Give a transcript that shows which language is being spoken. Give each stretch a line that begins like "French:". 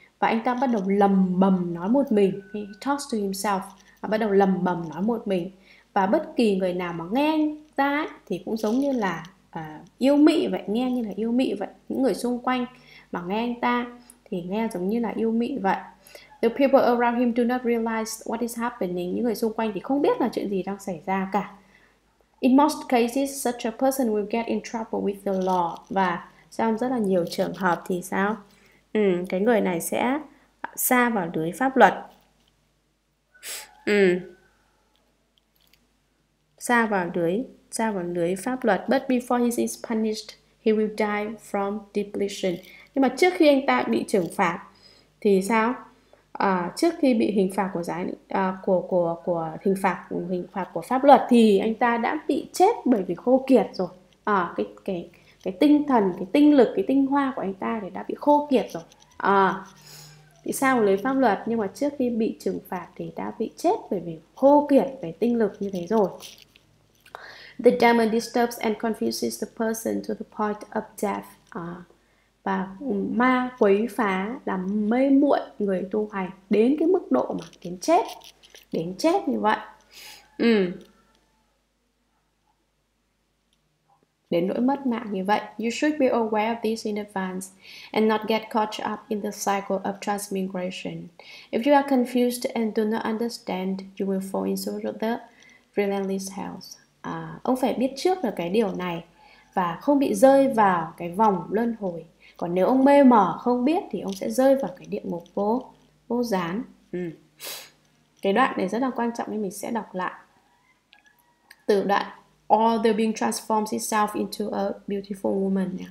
Vietnamese: Và anh ta bắt đầu lầm bầm nói một mình.
English: He talks to himself.
Vietnamese: Và bắt đầu lầm bầm nói một mình. Và bất kỳ người nào mà nghe ra thì cũng giống như là yêu mị vậy, nghe như là yêu mị vậy. Những người xung quanh mà nghe anh ta thì nghe giống như là yêu mị vậy.
English: The people around him do not realize what is happening.
Vietnamese: Những người xung quanh thì không biết là chuyện gì đang xảy ra cả.
English: In most cases, such a person will get in trouble with the law.
Vietnamese: Và trong rất là nhiều trường hợp thì sao? Cái người này sẽ sa vào lưới pháp luật. Sa vào lưới pháp luật.
English: But before he is punished, he will die from depletion.
Vietnamese: Nhưng mà trước khi anh ta bị trừng phạt thì sao? Trước khi bị hình phạt của giải của hình phạt của pháp luật thì anh ta đã bị chết bởi vì khô kiệt rồi. Cái tinh thần, cái tinh lực, cái tinh hoa của anh ta thì đã bị khô kiệt rồi. Thì sao lấy pháp luật, nhưng mà trước khi bị trừng phạt thì đã bị chết bởi vì khô kiệt về tinh lực như thế rồi.
English: The demon disturbs and confuses the person to the point of death.
Vietnamese: Và ma quấy phá là mê muội người tu hành đến cái mức độ mà đến chết như vậy. Đến nỗi mất mạng như vậy.
English: You should be aware of this in advance and not get caught up in the cycle of transmigration. If you are confused and do not understand, you will fall into the relentless hell.
Vietnamese: Ông phải biết trước là cái điều này và không bị rơi vào cái vòng luân hồi. Còn nếu ông mê mờ không biết thì ông sẽ rơi vào cái địa ngục vô gián. Cái đoạn này rất là quan trọng nên mình sẽ đọc lại. Từ đoạn
English: All the being transforms itself into a beautiful woman.